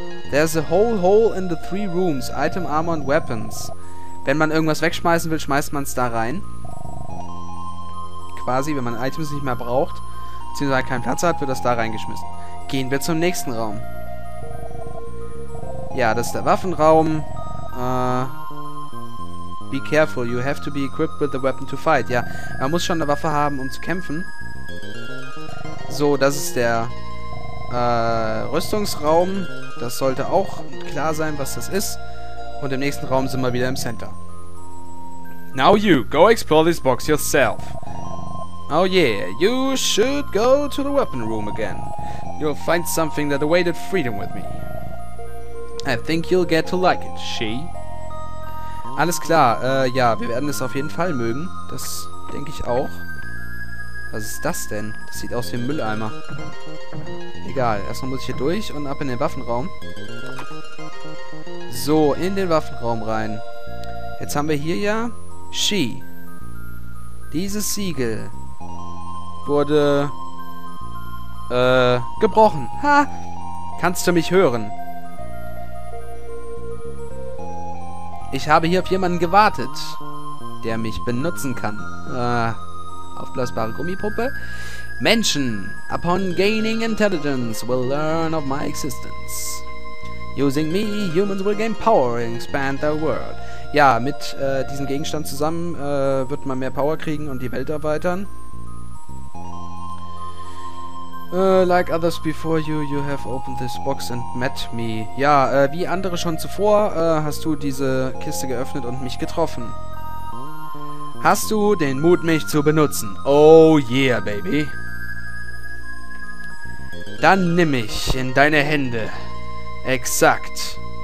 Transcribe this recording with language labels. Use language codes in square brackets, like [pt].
[en] There's a whole hole in the three rooms. Item, armor and weapons. [de] Wenn man irgendwas wegschmeißen will, schmeißt man es da rein. Quasi, wenn man Items nicht mehr braucht, beziehungsweise keinen Platz hat, wird das da reingeschmissen. Gehen wir zum nächsten Raum. Ja, das ist der Waffenraum. [en] Be careful, you have to be equipped with a weapon to fight. [de] Ja, man muss schon eine Waffe haben, um zu kämpfen. So, das ist der Rüstungsraum. Das sollte auch klar sein, was das ist. Und im nächsten Raum sind wir wieder im Center. [en] Now you, go explore this box yourself. Oh yeah, you should go to the weapon room again. You'll find something that awaited freedom with me. I think you'll get to like it, she. [de] Alles klar, ja, wir werden es auf jeden Fall mögen. Das denke ich auch. Was ist das denn? Das sieht aus wie ein Mülleimer. Egal, erstmal muss ich hier durch und ab in den Waffenraum. So, in den Waffenraum rein. Jetzt haben wir hier ja She. Dieses Siegel wurde gebrochen. Ha! Kannst du mich hören? Ich habe hier auf jemanden gewartet, der mich benutzen kann. Aufblasbare Gummipuppe. Menschen, [en] upon gaining intelligence, will learn of my existence. Using me, humans will gain power and expand their world. [de] Ja, mit diesem Gegenstand zusammen wird man mehr Power kriegen und die Welt erweitern. [en] Like others before you, you have opened this box and met me. [de] Ja, wie andere schon zuvor, hast du diese Kiste geöffnet und mich getroffen. Hast du den Mut, mich zu benutzen? [en] Oh yeah, baby. [de] Dann nimm mich in deine Hände. Exakt.